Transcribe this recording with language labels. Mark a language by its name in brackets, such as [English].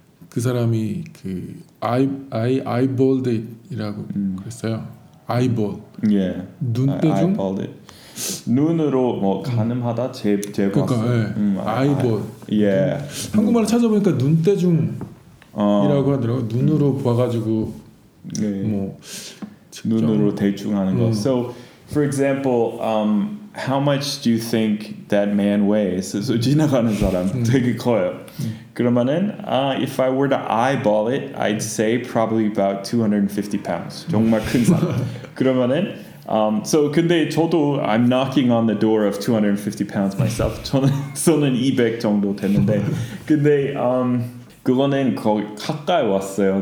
[Korean] 그 사람이 그 [English] eyeballed [Korean] 이라고 그랬어요. Eyeball. 예. 눈대중. Eyeballed. 눈으로 뭐 가늠하다 제 그러니까, 봤어. 예. [English] Eyeball. [Korean] 예. 한국말로 찾아보니까 눈대중이라고 하더라고. 눈으로 봐가지고 네. 뭐 직접. 눈으로 대중하는 거. [English] So for example, how much do you think that man weighs? [Korean] So 지나가는 사람 되게 커요. 그러면은 if I were to eyeball it, I'd say probably about 250 pounds. 정말 큰 사람. [English] 그러면은 so 근데 저도 I'm knocking on the door of 250 pounds myself. [Korean] 저는 200 정도 되는데 근데 그거는 거의 가까이 왔어요.